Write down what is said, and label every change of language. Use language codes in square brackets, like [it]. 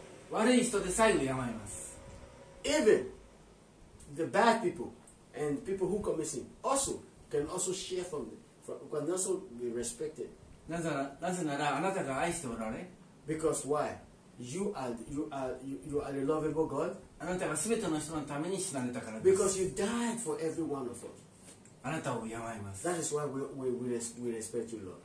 [ja] 悪い人でさえ敬います。 [en] Even the bad people and people who commit sin also can also share from them, can also be respected. [ja] なぜならあなたが愛しておられ。 [en] Because why? You are a lovable God. [ja] あなたがすべての人のために死なれたからです。 [en] Because you died for every one of us. [ja] あなたを敬います。 [en] That is why we respect you, Lord.